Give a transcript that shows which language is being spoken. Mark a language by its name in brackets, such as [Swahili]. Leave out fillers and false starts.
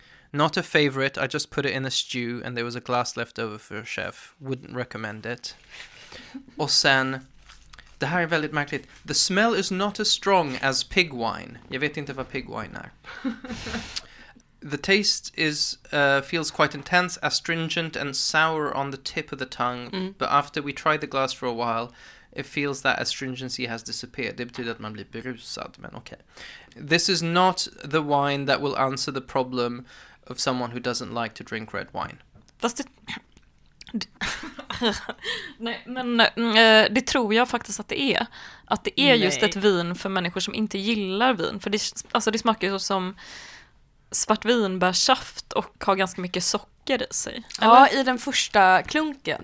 [English] Not a favorite, I just put it in a stew and there was a glass left over for a chef. Wouldn't recommend it. [Swedish] Och sen, det här är väldigt märkligt. [English] The smell is not as strong as pig wine. [Swedish] Jag vet inte vad pig wine är. [English] The taste is feels quite intense, astringent and sour on the tip of the tongue. Mm. But after we tried the glass for a while, it feels that astringency has disappeared. [Swedish] Det betyder att man blir berusad, men okej. [English] This is not the wine that will answer the problem of someone who doesn't like to drink red wine. [Swedish] Fast det... Nej, men det tror jag faktiskt att det är. Att det är just ett vin för människor som inte gillar vin. För det, alltså, det smakar ju som svart vin, bär saft och har ganska mycket socker i sig. Eller? Ja, i den första klunken.